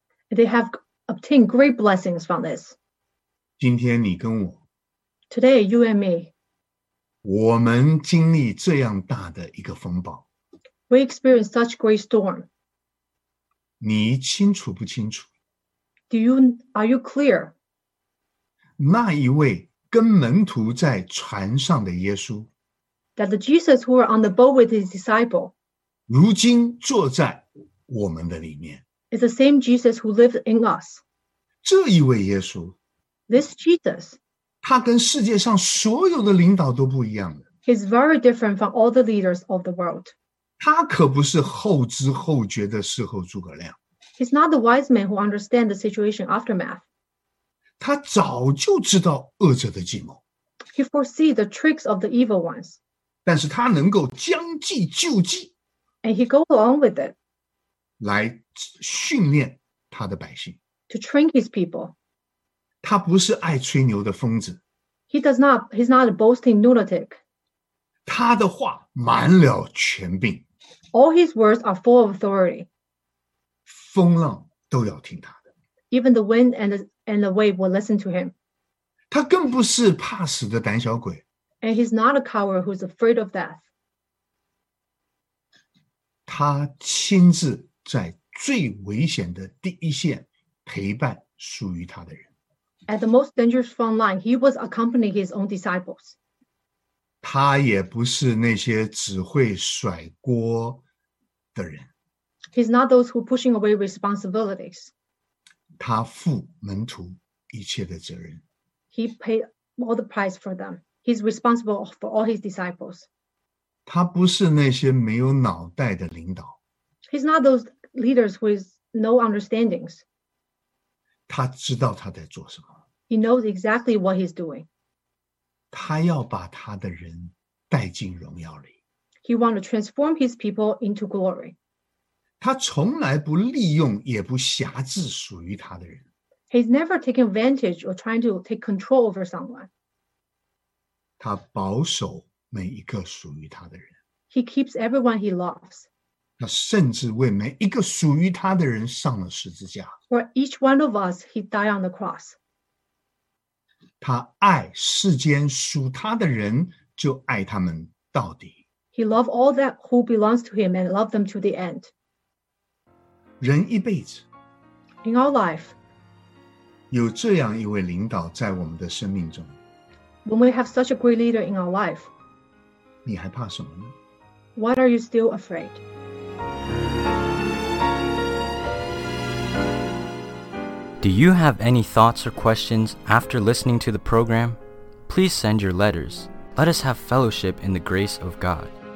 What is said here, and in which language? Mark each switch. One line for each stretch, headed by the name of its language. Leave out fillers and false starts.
English: They have obtained great blessings from this.
Chinese: 今天你跟我。
English: Today, you and me.
Chinese: 我们经历这样大的一个风暴。
English: We experienced such great storm.
Chinese: 你清楚不清楚
English: Are you clear?
Chinese: 那一位跟门徒在船上的耶稣
English: That the Jesus who were on the boat with his disciple
Chinese: 如今坐在我们的里面
English: Is the same Jesus who lived in us
Chinese: 这一位耶稣
English: This Jesus
Chinese: 他跟世界上所有的领导都不一样的
English: He's very different from all the leaders of the world
Chinese: 他可不是后知后觉的事后诸葛亮。
English: He's not the wise man who understands the situation aftermath.
Chinese: 他早就知道恶者的计谋。
English: He foresees the tricks of the evil ones.
Chinese: 但是他能够将计就计。
English: And he goes along with it.
Chinese: 来训练他的百姓。
English: To train his people.
Chinese: 他不是爱吹牛的疯子。
English: He's not a boasting lunatic.
Chinese: 他的话满了权柄。
English: All his words are full of authority.
Chinese: 风浪都要听他的。
English: Even the wind and the wave will listen to him.
Chinese: 他更不是怕死的胆小鬼。
English: And he's not a coward who's afraid of death.
Chinese: 他亲自在最危险的第一线陪伴属于他的人。
English: At the most dangerous front line, he was accompanying his own disciples.
Chinese: 他也不是那些只会甩锅的人。
English: He's not those who are pushing away responsibilities.
Chinese: 他负门徒一切的责任。
English: He paid all the price for them. He's responsible for all his disciples.
Chinese: 他不是那些没有脑袋的领导。
English: He's not those leaders with no understandings.
Chinese: 他知道他在做什么。
English: He knows exactly what he's doing.
Chinese: 他要把他的人带进荣耀里。
English: He wants to transform his people into glory.
Chinese: 他从来不利用也不辖制属于他的人。
English: He's never taken advantage or trying to take control over someone.
Chinese: 他保守每一个属于他的人。
English: He keeps everyone he loves.
Chinese: 他甚至为每一个属于他的人上了十字架。
English: For each one of us, he died on the cross.
Chinese: 他爱世间属他的人，就爱他们到底。
English: He loved all that who belongs to him and loved them to the end.
Chinese: 人一辈子
English: ，In our life,
Chinese: 有这样一位领导在我们的生命中。
English: When we have such a great leader in our life,
Chinese: 你还怕什么呢
English: ？What are you still afraid? Do you have any thoughts or questions after listening to the program? Please send your letters. Let us have fellowship in the grace of God.